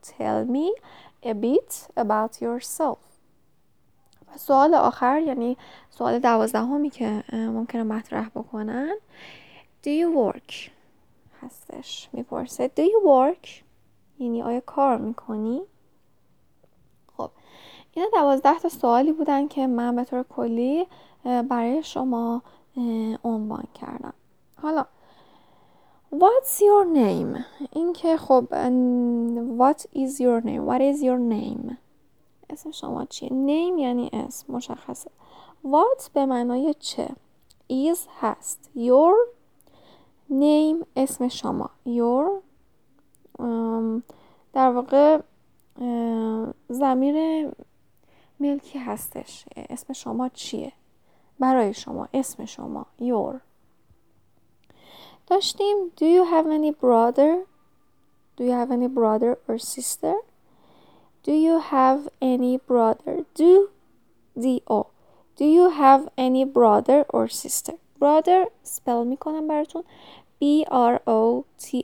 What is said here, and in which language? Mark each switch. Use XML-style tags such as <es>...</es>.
<en>Tell me a bit about yourself.</en> <fa>و سوال آخر، یعنی سوال 12 که ممکنه مطرح بکنن،</fa> <en>Do you work؟</en> <fa>هستش. میپرسه Do you work؟ یعنی آیا کار میکنی؟ خب اینا 12 تا سوالی بودن که من به طور کلی برای شما عنوان کردم. حالا</fa> <en>What's your name؟</en> <fa>این که خب</fa> <en>What is your name؟</en> <fa>What is your name؟ اسم شما چیه؟ Name یعنی اسم، مشخصه. What به معنای چه؟ Is هست. Your name اسم شما. Your در واقع ضمیر ملکی هستش. اسم شما چیه؟ برای شما، اسم شما. Your داشتیم.</fa> <en>Do you have any brother? Do you have any brother or sister? Do you have any brother? Do D-O. Do you have any brother or sister?</en> <fa>Brother spell میکنم براتون B-R-O-T-H-E-R.</fa>